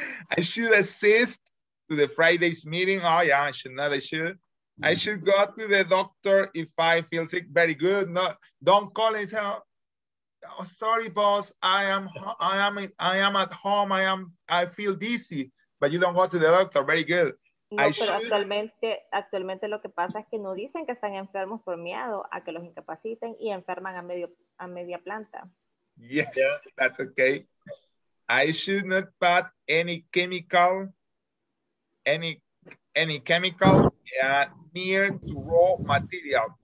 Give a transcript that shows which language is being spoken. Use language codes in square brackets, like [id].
[en] I should assist to the Friday's meeting. Oh, yeah, I should not. I should go to the doctor if I feel sick. Very good. No, don't call it. Oh, sorry, boss. I am at home. I feel dizzy, but you don't go to the doctor. Very good. No, I [es] pero [en] should... [es] actualmente lo que pasa es que no dicen que están enfermos por miedo a que los incapaciten y enferman a media planta. [en] Yes, that's okay. I should not put any chemical near to raw material.